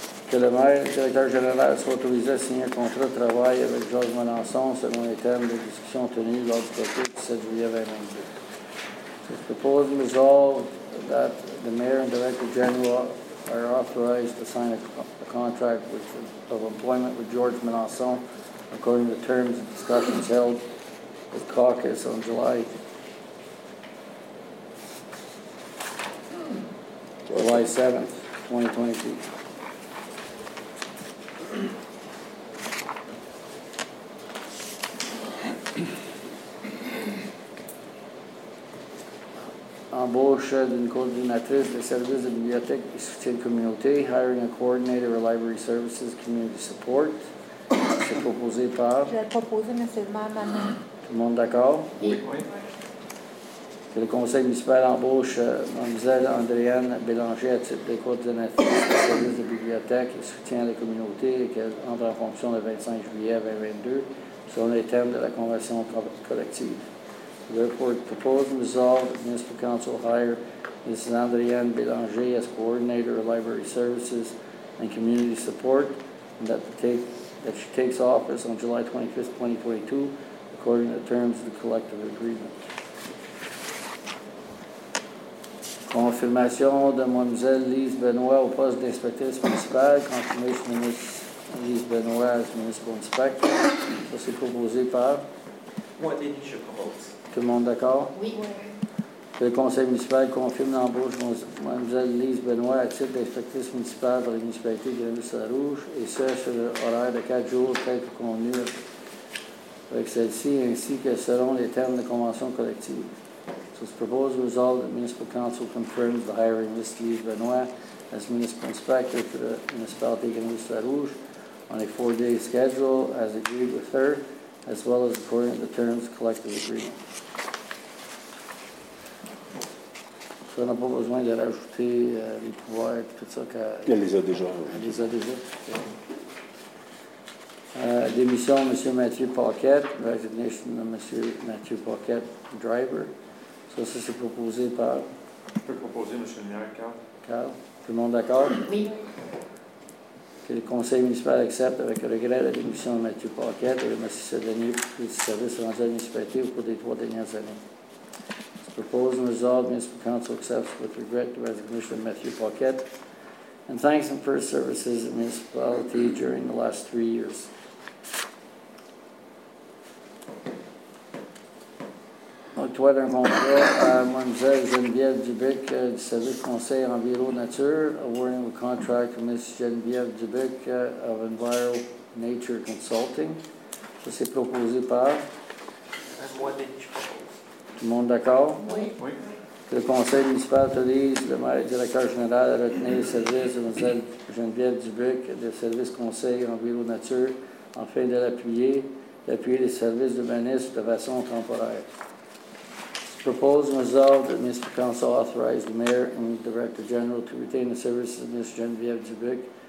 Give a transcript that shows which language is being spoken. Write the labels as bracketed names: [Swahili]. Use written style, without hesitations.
[French] Que le maire, directeur général, soit autorisé à signer un contrat de travail avec Georges Melançon selon les termes de discussion tenus lors du côté du 7 juillet 2022. C'est proposé de [English] resolve that the mayor and director general are authorized to sign a contract with, of employment with Georges Melançon according to the terms of discussions held with caucus on July 7th, 2022. [French] Embauche d'une coordinatrice des services de bibliothèque et soutien de communauté, [English] hiring a coordinator of library services community support. [French] C'est proposé par? Je l'ai proposé, M. le maire, maintenant. Tout le monde d'accord? Oui. Que le conseil municipal embauche Mlle Andréane Bélanger à titre de coordonnatrice du service de bibliothèque et soutien à la communauté et qu'elle entre en fonction le 25 juillet 2022 selon les termes de la convention collective. Le report [English] propose and resolve that the municipal council hire Mrs. Andréane Bélanger as coordinator of library services and community support and that the take. That she takes office on July 25th, 2022, according to the terms of the collective agreement. [French] Confirmation de Mlle Lise Benoit au poste d'inspectrice municipale. Confirmation de [English] Ms. Lise Benoit as municipal inspector. [French] Ça, c'est proposé par? Moi, Denis, je propose. Tout le monde d'accord? Oui. Que le conseil municipal confirme l'embauche de Mlle Lise Benoit à titre d'inspectrice municipale dans la municipalité de Grenville-sur-la-Rouge et ce, sur l'horaire de 4 jours tel que convenu avec celle-ci, ainsi que selon les termes de convention collective. [English] So, the proposed result that the municipal council confirms the hiring of Ms. Lise Benoit as municipal inspector for the municipality of Grenville-sur-la-Rouge on a 4-day schedule as agreed with her, as well as according to the terms of collective agreement. [French] Ça n'a pas besoin de rajouter les pouvoirs et tout ça. Elle les a déjà. Elle les a déjà. Démission de M. [English] Mathieu Paquette, resignation [French] de M. [English] Mathieu Paquette, driver. [French] Ça, ça s'est proposé par. Je peux proposer, M. le maire, Carl. Tout le monde d'accord? Oui. Que le conseil municipal accepte avec regret la démission de Mathieu Paquette et remercie ce dernier pour ses services rendus à la municipalité au cours des 3 dernières années. [English] Proposed and resolved, Municipal Council accepts with regret the resignation of Matthew Paquette and thanks him for his services in the municipality during the last 3 years. [French] Octroyer un contrat à Mme Geneviève Dubic du service conseil Environ Nature, [English] awarding the contract to Ms. Geneviève Dubic of Enviro Nature Consulting. [French] Ça s'est proposé par? Tout le monde d'accord? Oui. Que le conseil municipal autorise le maire et directeur général à retenir les services de Mlle Geneviève Dubic et des services conseil Environ Nature afin de l'appuyer les services d'urbanisme de façon temporaire. [English] This proposal is resolved that Mr. Council authorize the mayor and director general to retain the services of Ms. Geneviève Dubic